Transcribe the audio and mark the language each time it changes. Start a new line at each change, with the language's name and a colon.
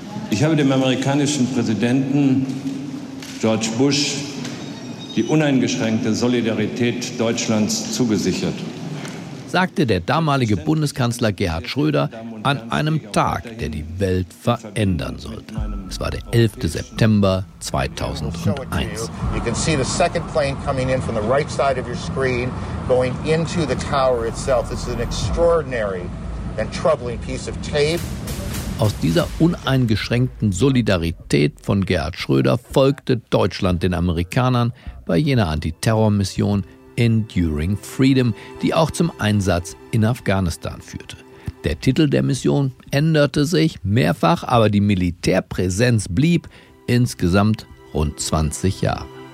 German: Ich habe dem amerikanischen Präsidenten George Bush die uneingeschränkte Solidarität Deutschlands zugesichert, sagte der damalige Bundeskanzler Gerhard Schröder an einem Tag, der die Welt verändern sollte. Es war der 11. September 2001.
English: You can see the second plane coming in from the right side of your screen, going into the tower itself. This is an extraordinary and troubling piece of tape.
German: Aus dieser uneingeschränkten Solidarität von Gerhard Schröder folgte Deutschland den Amerikanern bei jener Antiterrormission Enduring Freedom, die auch zum Einsatz in Afghanistan führte. Der Titel der Mission änderte sich mehrfach, aber die Militärpräsenz blieb insgesamt rund 20 Jahre.